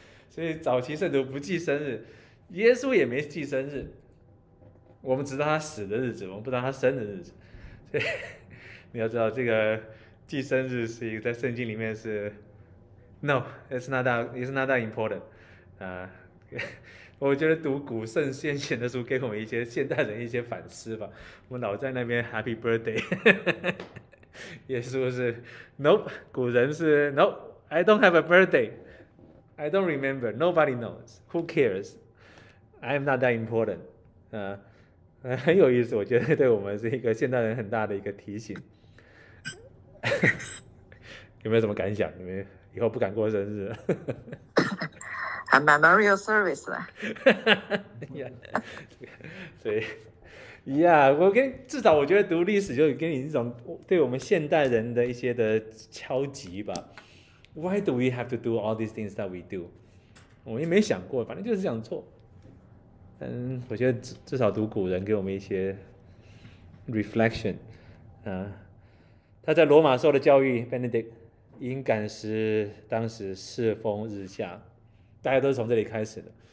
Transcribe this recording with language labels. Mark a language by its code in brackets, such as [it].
[zh] 所以早期圣徒不记生日，耶稣也没记生日，我们只知道他死的日子，我们不知道他生的日子，所以。你要知道，这个记生日是一个在圣经里面是， [en] no，it's not that important。 [zh] 我觉得读古圣先贤的书，给我们一些现代人一些反思吧。我老在那边 [en] Happy Birthday， [zh] 耶稣是 [en] nope， [zh] 古人是 [en] nope，I don't have a birthday，I don't remember，nobody knows，who cares，I'm not that important。 [zh] 很有意思，我觉得对我们是一个现代人很大的一个提醒。有没有什么感想？你们以后不敢过生日 [en] A memorial service [zh] 所以，一样，我跟至少我觉得读历史就给你一种对我们现代人的一些的敲击吧。 [en] Why do we have to do all these things that we do？ [zh] 我也没想过，反正就是想做。我觉得至少读古人给我们一些 reflection。他在罗马受的教育，Benedict 因感时，当时世风日下，大家都是从这里开始的。